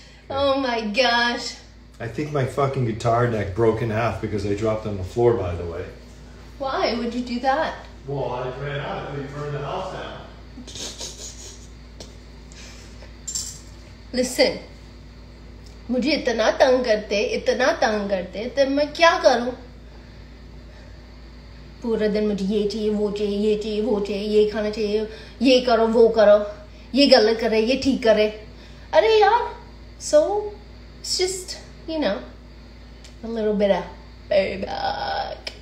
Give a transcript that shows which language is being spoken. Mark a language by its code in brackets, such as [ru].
[en] Oh my gosh. I think my fucking guitar neck broke in half because I dropped on the floor, by the way. Why would you do that? Well, I ran out and you burned the house down. Listen. [hi] मुझे इतना तंग करते, then मैं क्या करूँ? पूरा दिन मुझे ये चाहिए, वो चाहिए, ये चाहिए, वो चाहिए, ये खाना चाहिए, ये करो, वो करो, ये गलत करे, ये ठीक करे। [en] Are yaar, so it's just, you know, a little bit of payback.